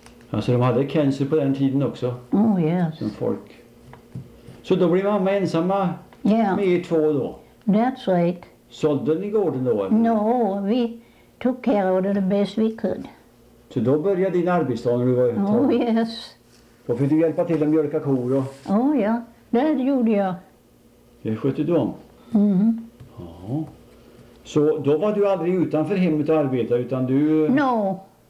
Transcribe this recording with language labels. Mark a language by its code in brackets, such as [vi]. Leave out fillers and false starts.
[sv] Alltså de hade cancer på den tiden också? [en] Oh, yes. [sv] Som folk. Så då blev mamma ensamma med er två då? [en] That's right. [sv] Sålde ni gården då? [en] No, we took care of it the best we could. [sv] Så då började din arbetsdag när du var ute? [en] Oh, yes. [sv] Då fick du hjälpa till att mjölka kor och... Oh, ja. Det gjorde jag. Det skötte du om? Mm-hmm. Ja. Så då var du aldrig utanför hemmet och arbetade utan du... [en] No.